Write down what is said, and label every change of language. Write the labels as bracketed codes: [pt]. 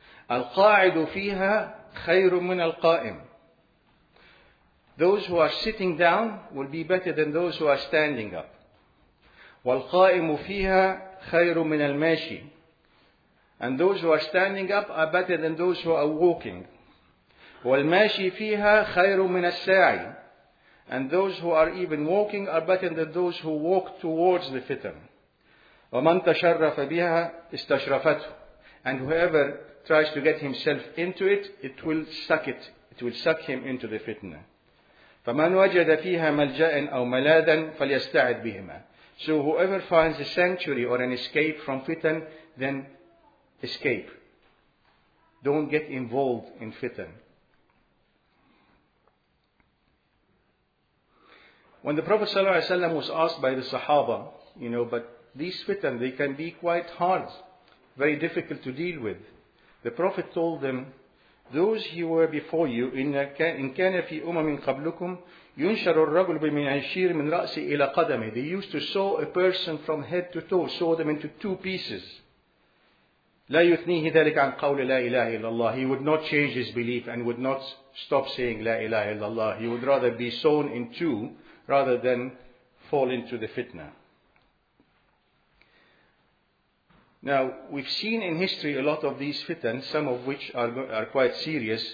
[ar] Al-qa'idu fiha khayru min al-qa'im. [en] Those who are sitting down will be better than those who are standing up. [ar] والقائم فيها خير من الماشي. [en] And those who are standing up are better than those who are walking. [ar] والماشي فيها خير من الساعي. [en] And those who are even walking are better than those who walk towards the fitan. [ar] ومن تشرف بها استشرفته. [en] And whoever tries to get himself into it, it will suck it. It will suck him into the fitna. [ar] فمن وجد فيها ملجأ أو ملاذا فليستعد بهما. [en] So whoever finds a sanctuary or an escape from fitan, then escape. Don't get involved in fitan. When the Prophet ﷺ was asked by the Sahaba, you know, but these fitan, they can be quite hard, very difficult to deal with. The Prophet told them, those who were before you, in [ar] كان في أمم قبلكم ينشر الرجل بمن عشير من رأسه إلى قدمه. [en] They used to saw a person from head to toe, saw them into two pieces. [ar] لا يثنيه ذلك عن قول لا إله إلا الله. [en] He would not change his belief and would not stop saying [ar] لا إله إلا الله. [en] He would rather be sawn in two rather than fall into the fitna. Now, we've seen in history a lot of these fitan, some of which are quite serious.